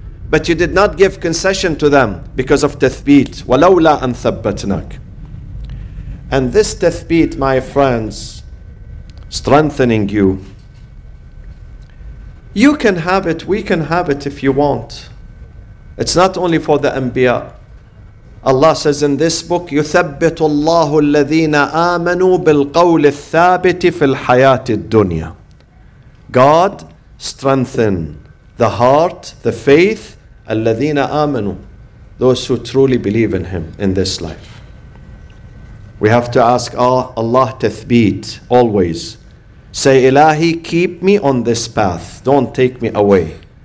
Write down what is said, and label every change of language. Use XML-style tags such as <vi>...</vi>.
<en>But you did not give concession to them because of tathbit.</en> <ar>وَلَوْلَا أَنْ ثَبَّتْنَاكَ.</ar> <en>And this tathbit, my friends, strengthening you, you can have it, we can have it if you want. It's not only for the Anbiya. Allah says in this book,</en> <ar>يُثَبِّتُ اللَّهُ الَّذِينَ آمَنُوا بِالْقَوْلِ الثَّابِتِ فِي الْحَيَاةِ الدُّنْيَا.</ar> <en>God strengthen the heart, the faith,</en> <ar>الَّذِينَ آمَنُوا,</ar> <en>those who truly believe in Him in this life. We have to ask, Allah tathbit, always. Say, Ilahi, keep me on this path. Don't take me away.</en>